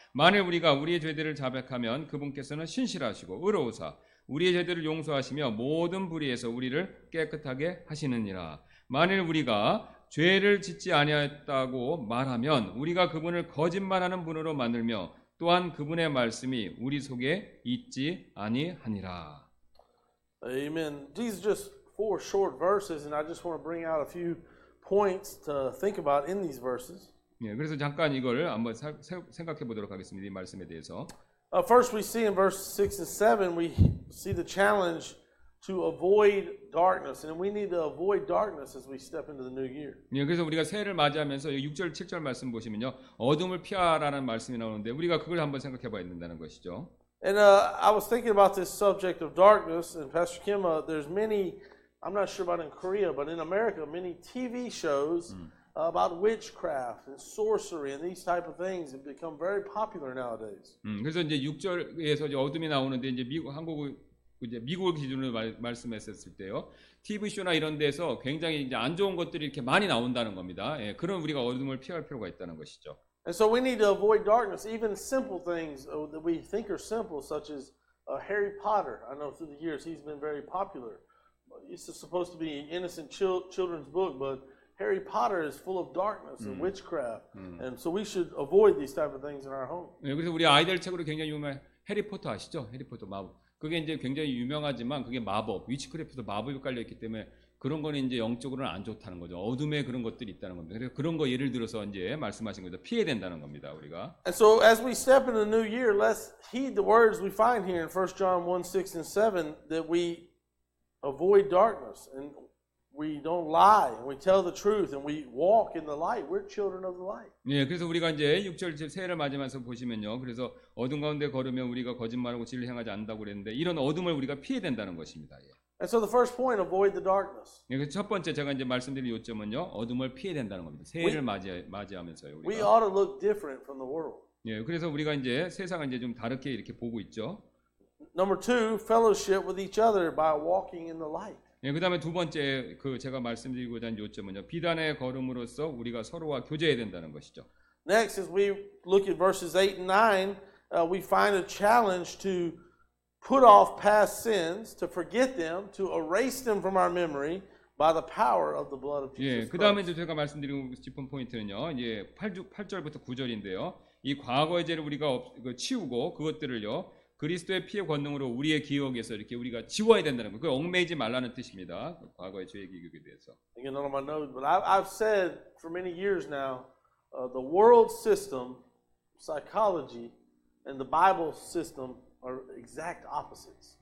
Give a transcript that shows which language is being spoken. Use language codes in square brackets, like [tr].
[ko] 만일 우리가 우리의 죄들을 자백하면 그분께서는 신실하시고 의로우사 우리의 죄들을 용서하시며 모든 불의에서 우리를 깨끗하게 하시느니라. 만일 우리가 죄를 짓지 아니하였다고 말하면 우리가 그분을 거짓말하는 분으로 만들며 또한 그분의 말씀이 우리 속에 있지 아니하니라. [en] Amen. These are just four short verses and I just want to bring out a few points to think about in these verses. [ko] 예, 그래서 잠깐 이걸 한번 생각해 보도록 하겠습니다. 이 말씀에 대해서. [en] First we see in verse 6 and 7 we see the challenge to avoid darkness and we need to avoid darkness as we step into the new year. [ko] 예, 그래서 우리가 새해를 맞이하면서 6절 7절 말씀 보시면요. 어둠을 피하라는 말씀이 나오는데 우리가 그걸 한번 생각해 봐야 된다는 것이죠. [en] And I was thinking about this subject of darkness and Pastor Kim, there's many I'm not sure about in Korea but in America many TV shows about witchcraft and sorcery and these type of things have become very popular nowadays. [ko] 그래서 이제 6절에서 이제 어둠이 나오는데 이제 미국 한국을 이제 미국 기준으로 말씀했었을 때요. TV쇼나 이런 데서 굉장히 이제 안 좋은 것들이 이렇게 많이 나온다는 겁니다. 예, 그런 우리가 어둠을 피할 필요가 있다는 것이죠. [en] And so we need to avoid darkness. Even simple things that we think are simple such as Harry Potter. I know through the years he's been very popular. It's supposed to be an innocent children's book, but Harry Potter is full of darkness and witchcraft. And so we should avoid these type of things in our home. [ko] 예, 그래서 우리 아이들 책으로 굉장히 유명한 해리포터 아시죠? 해리포터 마법. 그게 이제 굉장히 유명하지만 그게 마법, 위치크래프트 마법이 깔려 있기 때문에 그런 거는 이제 영적으로는 안 좋다는 거죠. 어둠에 그런 것들이 있다는 겁니다. 그래서 그런 거 예를 들어서 이제 말씀하신 거죠. 피해야 된다는 겁니다, 우리가. [en] And so as we step into the new year, let's heed the words we find here in 1 John 1:6 and 7 that we avoid darkness and we don't lie and we tell the truth and we walk in the light. We're children of the light. [ko] 예, 그래서 우리가 이제 6절 새해를 맞이하면서 보시면요. 그래서 어둠 가운데 걸으면 우리가 거짓말하고 진리를 행하지 않는다고 그랬는데 이런 어둠을 우리가 피해야 된다는 것입니다. 예. [en] And so the first point, avoid the darkness. [ko] 예, 첫 번째 제가 이제 말씀드릴 요점은요. 어둠을 피해야 된다는 겁니다. 새해를 맞이하면서요. 우리가. [en] We ought to look different from the world. [ko] 예, 그래서 우리가 이제 세상을 이제 좀 다르게 이렇게 보고 있죠. [en] Number two, fellowship with each other by walking in the light. [ko] 예, 그다음에 두 번째 그 제가 말씀드리고자 하는 요점은요. 비단의 걸음으로써 우리가 서로와 교제해야 된다는 것이죠. [en] Next, as we look at verses 8 and 9, we find a challenge to put off past sins, to forget them, to erase them from our memory by the power of the blood of Jesus. [ko] 예, 그다음에 이제 제가 말씀드리고 싶은 포인트는요. 이제 8절부터 9절인데요. 이 과거의 죄를 우리가 치우고 그것들을요. 그리스도의 피의 권능으로 우리의 기억에서 이렇게 우리가 지워야 된다는 거. 그 얽매이지 말라는 뜻입니다. 과거의 죄의 기억에 대해서. [en] Again, on my notes, but I've said for many years now, the world system, psychology, and the Bible system are exact opposites.